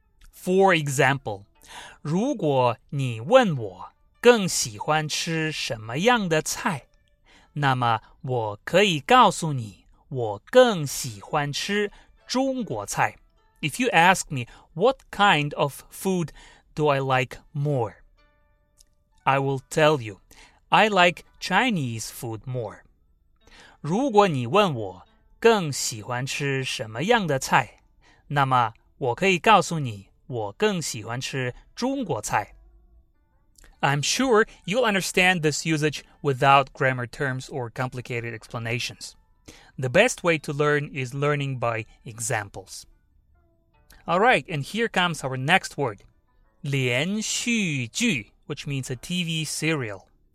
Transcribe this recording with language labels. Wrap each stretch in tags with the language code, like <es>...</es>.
<en>For example,</en> <zh>如果你问我更喜欢吃什么样的菜, 那么我可以告诉你我更喜欢吃中国菜。</zh> <en>If you ask me, what kind of food do I like more? I will tell you, I like Chinese food more.</en> <zh>如果你问我更喜欢吃什么样的菜，那么我可以告诉你我更喜欢吃中国菜。</zh> <en>I'm sure you'll understand this usage without grammar terms or complicated explanations. The best way to learn is learning by examples. Alright, and here comes our next word. 连续剧, which means a TV serial.</en>